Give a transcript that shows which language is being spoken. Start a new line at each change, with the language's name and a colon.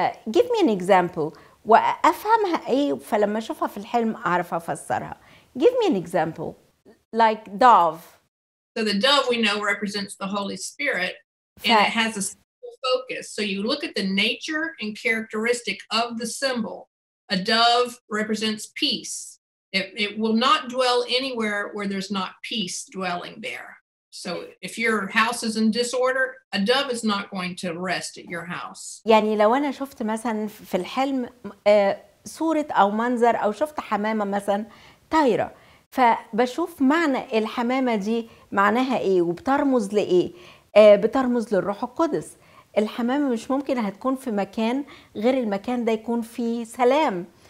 English: Give me an example
Arabic: وافهمها ايه، فلما اشوفها في الحلم اعرف افسرها.
English: Give me an example like dove. So the dove we know represents the Holy Spirit and it has a focus. So you look at the nature and characteristic of the symbol. A dove represents peace. It will not dwell anywhere where there's not peace dwelling there. So if your house is in disorder, a dove is not going to rest at your house.
Arabic: يعني لو أنا شفت مثلا في الحلم صورة أو منظر أو شفت حمامة مثلا طايرة، فبشوف معنى الحمامة دي معناها إيه وبترمز لإيه؟ بترمز للروح القدس. الحمامة مش ممكن هتكون في مكان غير المكان ده يكون فيه سلام.